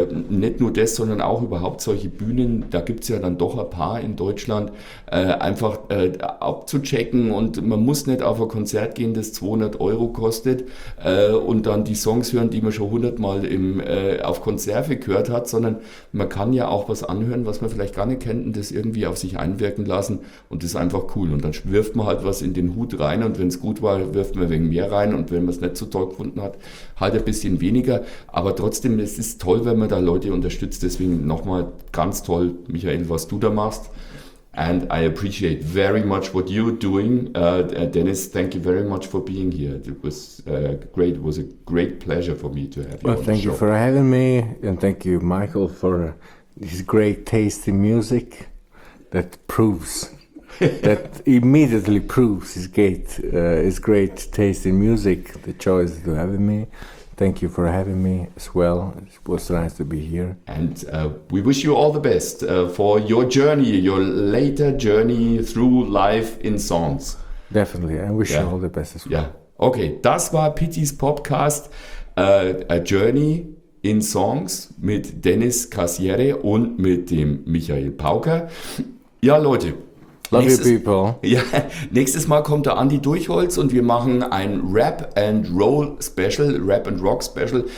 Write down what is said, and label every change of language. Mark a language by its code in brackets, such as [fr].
[de] Nicht nur das, sondern auch überhaupt solche Bühnen, da gibt es ja dann doch ein paar in Deutschland, einfach abzuchecken und man muss nicht auf ein Konzert gehen, das 200 € kostet und dann die Songs hören, die man schon 100 Mal auf Konserve gehört hat, sondern man kann ja auch was anhören, was man vielleicht gar nicht kennt und das irgendwie auf sich einwirken lassen und das ist einfach cool. Und dann wirft man halt was in den Hut rein und wenn es gut war, wirft man wegen mehr rein und wenn man es nicht so toll gefunden hat, halt ein bisschen weniger. Aber trotzdem, es ist toll, wenn man da Leute unterstützt, deswegen nochmal ganz toll, Michael, was du da machst. [en] And I appreciate very much what you're doing. Dennis, thank you very much for being here. It was great. It was a great pleasure for me to have you Well, on the thank you show. for having me, and thank you, Michael, for this great taste in music that proves, that immediately proves his great taste in music, the choice to having me. Thank you for having me as well. It was nice to be here. And we wish you all the best for your journey, your later journey through life in songs. Definitely, I wish you Yeah. all the best as Yeah. well. [de] Okay, das war Pittis Podcast, A Journey in Songs mit Dennis Cassiere und mit dem Michael Pauker. Ja, Leute, [en] Love you, people. [de] nächstes Mal kommt der Andy Durchholz und wir machen ein Rap and Roll Special, Rap and Rock Special.